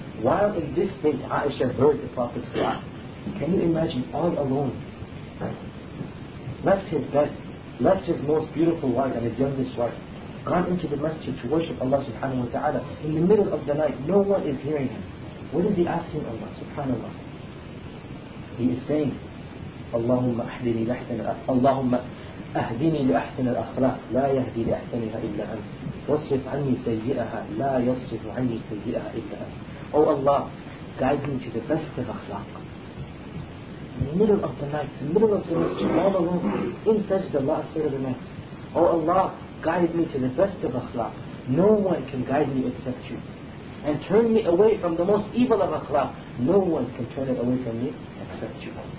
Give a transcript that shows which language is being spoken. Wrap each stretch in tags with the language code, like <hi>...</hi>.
<en>While in this state, Aisha heard the Prophet's dua. Can you imagine, all alone, left his bed, left his most beautiful wife and his youngest wife, gone into the masjid to worship Allah subhanahu wa ta'ala. In the middle of the night, no one is hearing him. What is he asking Allah subhanahu wa ta'ala? He is saying,</en> <ar>Allahumma ahdini lahtana, Allahumma أهدني لأحسن الأخلاق لا يهدي لأحسنها إلا أنت واصرف عني سيئها لا يصرف عني سيئها إلا أنت.</ar> <en>Oh Allah, guide me to the best of أخلاق. In the middle of the night, in the middle of the masjid, all alone, in sajda, last prayer of the night. Oh Allah, guide me to the best of أخلاق. No one can guide me except you. And turn me away from the most evil of أخلاق. No one can turn it away from me except you.</en>